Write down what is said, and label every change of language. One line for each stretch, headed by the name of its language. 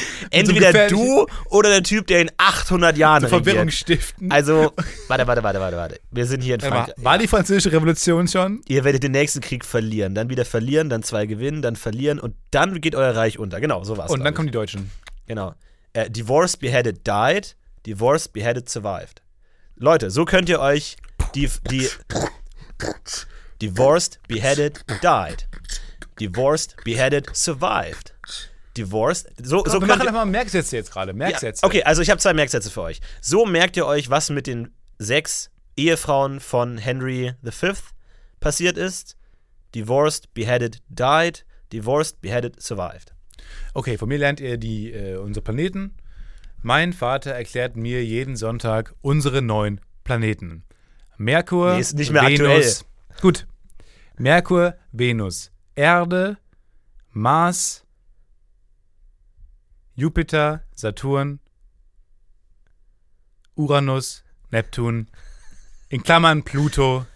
German: Entweder so du oder der Typ, der in 800 Jahren zur Verwirrung stiften. Also, warte. Wir sind hier in Frankreich. War die französische Revolution schon? Ihr werdet den nächsten Krieg verlieren. Dann wieder verlieren, dann zwei gewinnen, dann verlieren und dann geht euer Reich unter. Genau, so war's. Und dann kommen die Deutschen. Genau.
English: Divorced, beheaded, died. Divorced, beheaded, survived.
German: Leute, so könnt ihr euch die
English: Divorced, beheaded, died. Divorced, beheaded, survived. Divorced. So
German: wir machen einfach mal Merksätze jetzt gerade. Merksätze. Ja, okay, also ich habe zwei Merksätze für euch. So merkt ihr euch, was mit den sechs Ehefrauen von Henry V. passiert ist.
English: Divorced, beheaded, died. Divorced, beheaded, survived.
German: Okay, von mir lernt ihr die unsere Planeten. Mein Vater erklärt mir jeden Sonntag unsere neun Planeten. Merkur, nee, ist nicht mehr Venus. Aktuell. Gut. Merkur, Venus, Erde, Mars, Jupiter, Saturn, Uranus, Neptun, in Klammern Pluto.